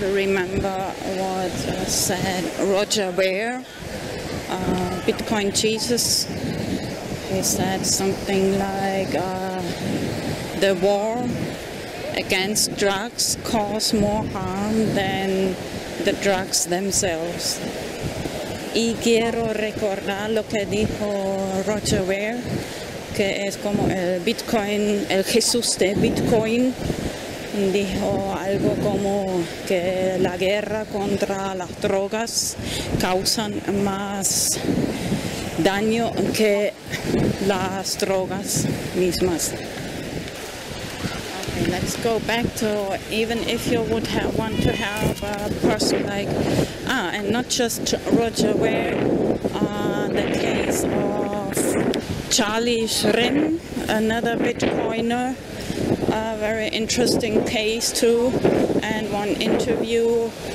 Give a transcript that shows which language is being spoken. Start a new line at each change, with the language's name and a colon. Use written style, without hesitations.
English: to remember what said Roger Ware, Bitcoin Jesus. He said something like, the war against drugs cause more harm than the drugs themselves.
Spanish: Y quiero recordar lo que dijo Roger Ware, que es como el Bitcoin, el Jesús de Bitcoin. Dijo algo como que la guerra contra las drogas causan más daño que las drogas mismas.
English: Okay, let's go back to, even if you would have, want to have a person like, and not just Roger Ware, the case of Charlie Shrim, another Bitcoiner, a very interesting case too, and one interview.